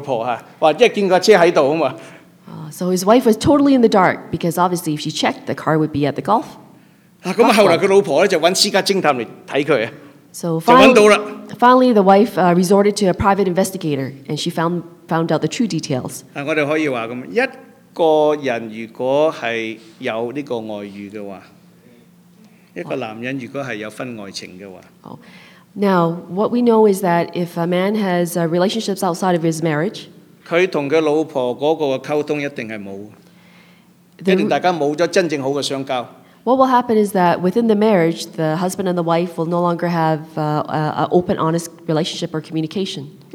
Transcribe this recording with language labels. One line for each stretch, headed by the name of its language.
Chinese: 那他老婆不知道,他老婆,說因為見過車在那裡,
English: so his wife was totally in the dark because obviously if she checked, the car would be at the golf.
Chinese: 那後來他老婆就找私家偵探來看他。
English: So finally, the wife resorted to a private investigator and she found out the true details.
Chinese: 我們可以說一個人如果是有這個外遇的話,一個男人如果是有婚外情的話,
English: now, what we know is that if a man has relationships outside of his marriage,
Chinese: 他跟他老婆那個溝通一定是沒有,一定大家沒有了真正好的相交。
English: What will happen is that within the marriage, the husband and the wife will no longer have an open, honest relationship or communication.